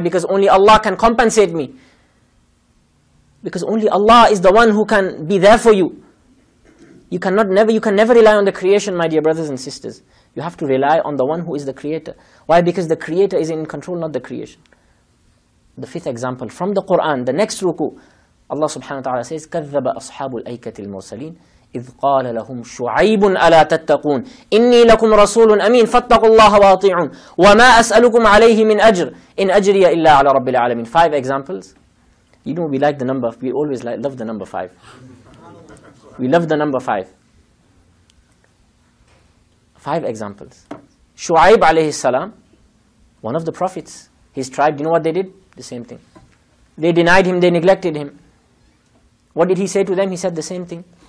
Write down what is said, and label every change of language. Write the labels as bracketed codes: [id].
[en] Because only Allah can compensate me. Because only Allah is the one who can be there for you. You can never rely on the creation, my dear brothers and sisters. You have to rely on the one who is the creator. Why? Because the creator is in control, not the creation. The fifth example from the Quran, the next ruku, Allah subhanahu wa ta'ala says, [ar] كَذَّبَ أَصْحَابُ الْأَيْكَةِ الْمُرْسَلِينَ إِذْ قَالَ لَهُمْ شُعَيْبٌ أَلَا تَتَّقُونَ إِنِّي لَكُمْ رَسُولٌ أَمِينٌ فَاتَّقُوا اللَّهَ وَأَطِيعُونَ وَمَا أَسْأَلُكُمْ عَلَيْهِ مِنْ أَجْرٍ إِنْ أَجْرِيَ إِلَّا عَلَى رَبِّ الْعَالَمِينَ. [en] Five examples. You know, we like the number, we always like, love the number five. We love the number five. Five examples. Shu'aib alayhi salam, one of the prophets, his tribe, you know what they did? The same thing. They denied him, they neglected him. What did he say to them? He said the same thing.